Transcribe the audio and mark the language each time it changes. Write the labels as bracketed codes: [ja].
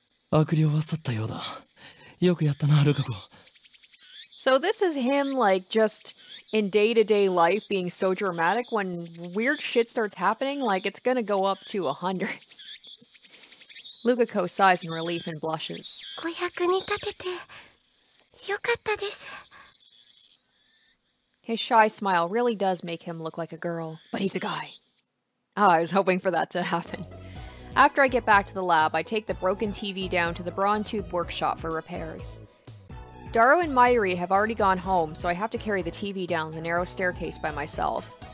[ja] 悪霊は去ったようだ。よくやったな、ルカ子。 [en] So this is him, like, just in day-to-day life being so dramatic when weird shit starts happening, like, it's gonna go up to 100. Lukako sighs in relief and blushes. [ja] 500に立ててよかったです。 [en] His shy smile really does make him look like a girl, but he's a guy. Ah, I was hoping for that to happen. After I get back to the lab, I take the broken TV down to the Brawn Tube workshop for repairs. Daro and Mayuri have already gone home, so I have to carry the TV down the narrow staircase by myself.